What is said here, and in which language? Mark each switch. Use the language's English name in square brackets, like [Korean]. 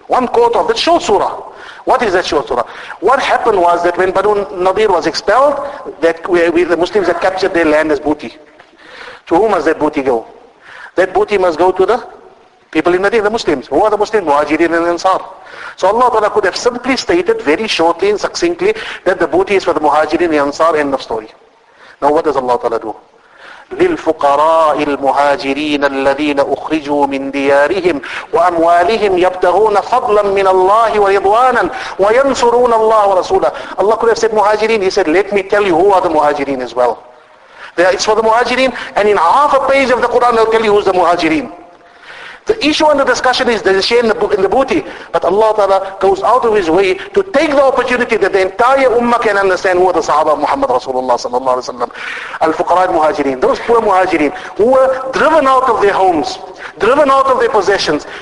[English] One quarter of that short surah. What is that short surah? What happened was that when Banu Nadir was expelled, that we the Muslims had captured their land as booty. To whom must that booty go? That booty must go to the people in Medina, the Muslims. Who are the Muslims? Muhajirin and Ansar. So Allah Ta'ala could have simply stated very shortly and succinctly that the booty is for the Muhajirin and Ansar, end of story. Now what does Allah Ta'ala do? [Arabic] للفقراء المهاجرين الذين أخرجوا من ديارهم وأموالهم يبتغون فضلا من الله ورضوانا وينصرون الله ورسوله. [English] Allah could have said [Arabic] مهاجرين, [English] He said, let me tell you who are the [Arabic] مهاجرين [English] as well. It's for the Muhajirin. And in half a page of the Quran, they'll tell you who's the Muhajirin. The issue under discussion is the share in the booty. But Allah Ta'ala goes out of His way to take the opportunity that the entire Ummah can understand who are the Sahaba of Muhammad Rasulullah Sallallahu Alaihi Wasallam. Al-Fuqara al-Muhajirin, those poor Muhajirin who were driven out of their homes, driven out of their possessions.